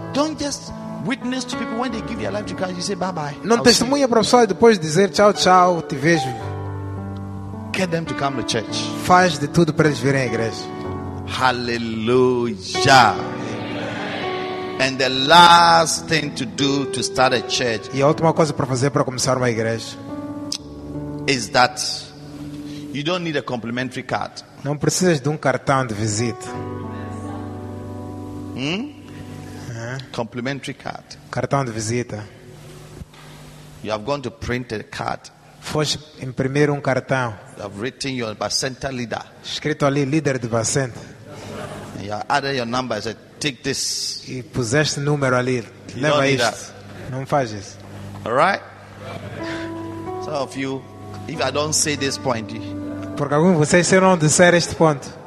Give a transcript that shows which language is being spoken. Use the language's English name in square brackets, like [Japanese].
[English] Don't just witness to people when they give their life to God. You say bye bye. [Portuguese] Não testemunha para a pessoa e depois dizer tchau tchau, te vejo. [English] Get them to come to church. [Portuguese] Faz de tudo para eles virem à igreja. Hallelujah. [English] And the last thing to do to start a church. [Portuguese] E a última coisa para fazer para começar uma igreja. [English] Is that you don't need a complimentary card. [Portuguese] Não precisas de cartão de visita. [English] Complimentary card. [Portuguese] Cartão de visita. [English] You have gone to print a card. [Portuguese] Foste imprimir cartão. [English] You have written your Bacenta leader. [Portuguese] Escrito ali líder de Bacenta. [English] You have added your number as a take this. E puseste número ali. Leva isto. Não faz isso. All right? Some of you, if I don't say this point, [Portuguese] porque alguns de vocês se não disser este ponto,